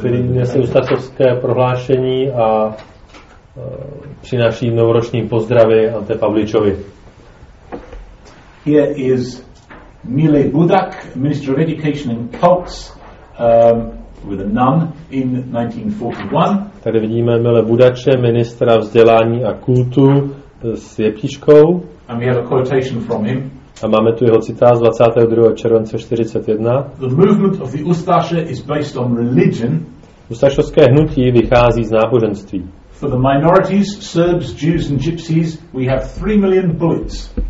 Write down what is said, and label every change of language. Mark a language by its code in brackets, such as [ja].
[cs] Nese ustašovské prohlášení a přináší novoroční pozdravy Ante Pavličovi. [en] Here is Mile Budak, Minister of Education and Cults, with a nun in 1941. [cs] Tady vidíme Mile Budače, ministra vzdělání a kultu s jeptiškou. [en] And we have a quotation from him. [cs] A máme tu jeho citát z 22. července 41. [en] The movement of the Ustaše is based on religion. [cs] Ustašovské hnutí vychází z náboženství. [en] For the minorities, Serbs, Jews and Gypsies, we have 3 million bullets.